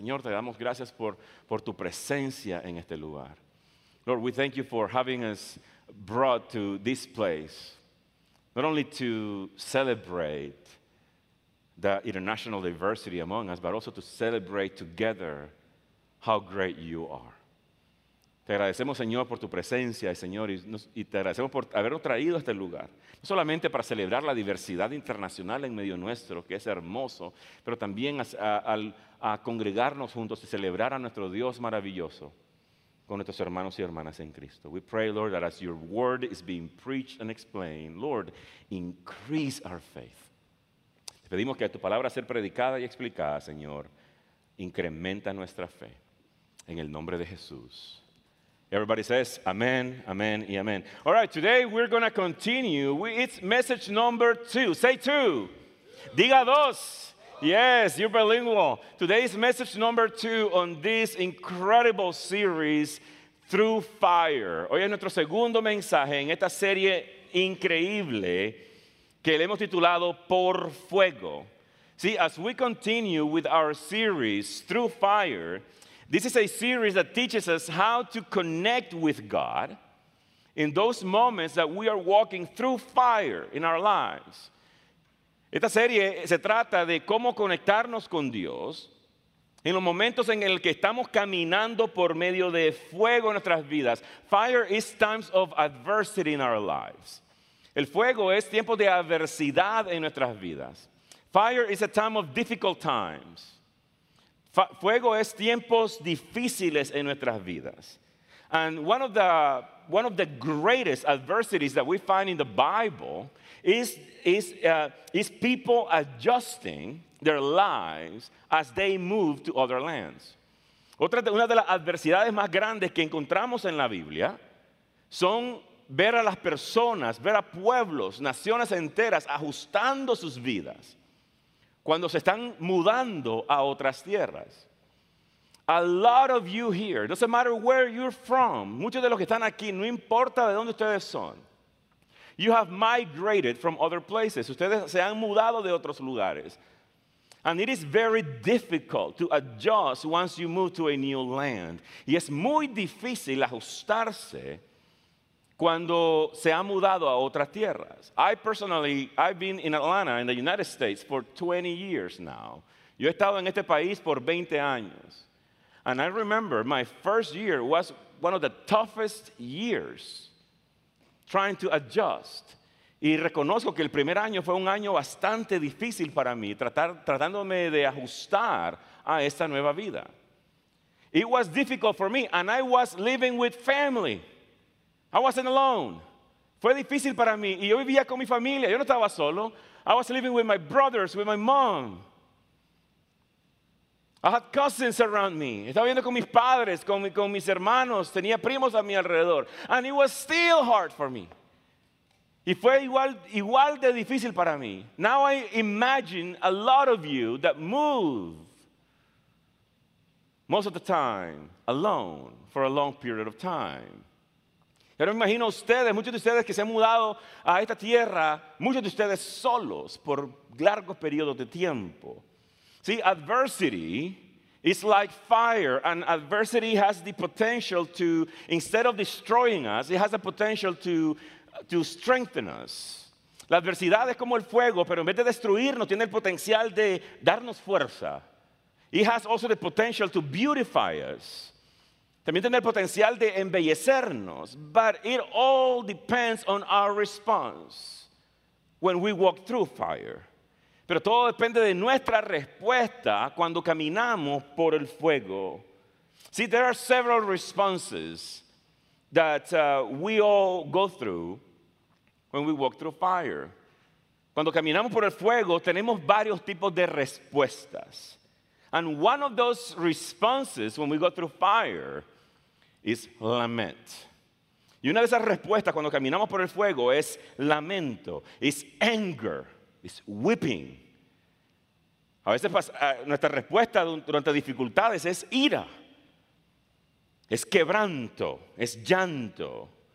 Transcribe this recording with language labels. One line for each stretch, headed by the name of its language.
Spanish: Señor, te damos gracias por tu presencia en este lugar.
English: Lord, we thank you for having us brought to this place, not only to celebrate the international diversity among us, but also to celebrate together how great you are.
Spanish: Te agradecemos, Señor, por tu presencia, Señor, y te agradecemos por habernos traído a este lugar, no solamente para celebrar la diversidad internacional en medio nuestro, que es hermoso, pero también a congregarnos juntos y celebrar a nuestro Dios maravilloso con nuestros hermanos y hermanas en Cristo.
English: We pray, Lord, that as your word is being preached and explained, Lord, increase our faith.
Spanish: Te pedimos que tu palabra sea predicada y explicada, Señor, incrementa nuestra fe. En el nombre de Jesús.
English: Everybody says amen, amen,
Spanish: y amen.
English: All right, today we're going to continue. It's message number 2. Say 2.
Spanish: Diga 2.
English: Yes, you're bilingual. Today is message number 2 on this incredible series, Through Fire.
Spanish: Hoy es nuestro segundo mensaje en esta serie increíble que le hemos titulado Por Fuego.
English: See, as we continue with our series, Through Fire, this is a series that teaches us how to connect with God in those moments that we are walking through fire in our lives.
Spanish: Esta serie se trata de cómo conectarnos con Dios en los momentos en el que estamos caminando por medio de fuego en nuestras vidas.
English: Fire is times of adversity in our lives.
Spanish: El fuego es tiempo de adversidad en nuestras vidas.
English: Fire is a time of difficult times.
Spanish: Fuego es tiempos difíciles en nuestras vidas.
English: And one of the greatest adversities that we find in the Bible is people adjusting their lives as they move to other lands.
Spanish: Una de las adversidades más grandes que encontramos en la Biblia son ver a las personas, ver a pueblos, naciones enteras ajustando sus vidas cuando se están mudando a otras tierras.
English: A lot of you here, doesn't matter where you're from,
Spanish: muchos de los que están aquí, no importa de dónde ustedes son,
English: you have migrated from other places.
Spanish: Ustedes se han mudado de otros lugares.
English: And it is very difficult to adjust once you move to a new land.
Spanish: Y es muy difícil ajustarse cuando se ha mudado a otras tierras.
English: I've been in Atlanta, in the United States, for 20 years now.
Spanish: Yo he estado en este país por 20 años.
English: And I remember my first year was one of the toughest years trying to adjust.
Spanish: Y reconozco que el primer año fue un año bastante difícil para mí, tratándome de ajustar a esta nueva vida.
English: It was difficult for me, and I was living with family. I wasn't alone.
Spanish: Fue difícil para mí. Y yo vivía con mi familia. Yo no estaba solo.
English: I was living with my brothers, with my mom. I had cousins around me.
Spanish: Estaba viviendo con mis padres, con mis hermanos. Tenía primos a mi alrededor.
English: And it was still hard for me.
Spanish: Y fue igual de difícil para mí.
English: Now I imagine a lot of you that move most of the time alone for a long period of time.
Spanish: Pero me imagino a ustedes, muchos de ustedes que se han mudado a esta tierra, muchos de ustedes solos por largos periodos de tiempo.
English: See, adversity is like fire, and adversity has the potential to, instead of destroying us, it has the potential to strengthen us.
Spanish: La adversidad es como el fuego, pero en vez de destruirnos, tiene el potencial de darnos fuerza.
English: It has also the potential to beautify us.
Spanish: También tiene el potencial de embellecernos,
English: but it all depends on our response when we walk through fire.
Spanish: Pero todo depende de nuestra respuesta cuando caminamos por el fuego.
English: See, there are several responses that we all go through when we walk through fire.
Spanish: Cuando caminamos por el fuego, tenemos varios tipos de respuestas.
English: And one of those responses when we go through fire is lament.
Spanish: Y una de esas respuestas cuando caminamos por el fuego es lamento,
English: is anger, is weeping.
Spanish: A veces nuestra respuesta durante dificultades es ira, es quebranto, es llanto.